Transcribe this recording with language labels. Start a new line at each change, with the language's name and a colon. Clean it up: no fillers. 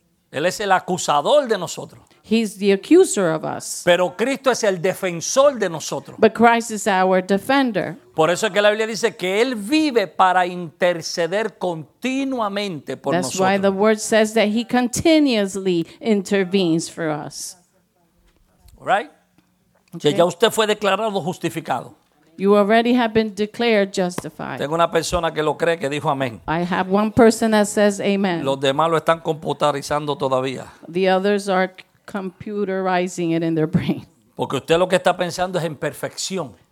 Spanish: Él es el acusador de nosotros.
English: He's the accuser of us.
Spanish: Pero Cristo es el defensor de nosotros.
English: But Christ is our defender.
Spanish: Por eso es que la Biblia dice que Él vive para interceder continuamente por
English: That's
Spanish: nosotros.
English: That's why the word says that He continuously intervenes for us.
Spanish: Right? Okay. Que ya usted fue declarado justificado.
English: You already have been declared justified.
Spanish: Tengo una persona que lo cree que dijo amén.
English: I have one person that says amen.
Spanish: Los demás lo están computarizando todavía.
English: The others are computerizing it in their brain.
Spanish: Porque usted lo que está pensando es en perfección.